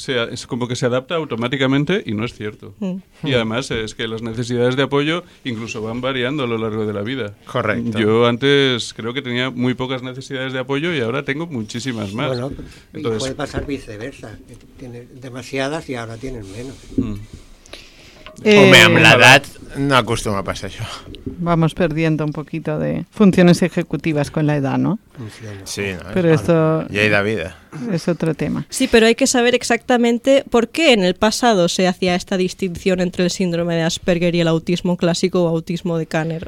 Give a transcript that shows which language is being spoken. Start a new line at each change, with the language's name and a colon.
Spanish: Es como que se adapta automáticamente y no es cierto. Y además es que las necesidades de apoyo incluso van variando a lo largo de la vida. Correcto. Yo antes creo que tenía muy pocas necesidades de apoyo y ahora tengo muchísimas más. Bueno, entonces, puede pasar viceversa. Tienes demasiadas y ahora tienes menos.
Catalan: Hombre, amb l'edat no acostuma a passar això.
Spanish: Vamos perdiendo un poquito de funciones ejecutivas con la edad, ¿no? Sí, no, pero esto
Catalan: llei de vida.
Spanish: Es otro tema. Sí, pero hay que saber exactamente por qué en el pasado se hacía esta distinción entre el síndrome de Asperger y el autismo clásico o autismo de Kanner.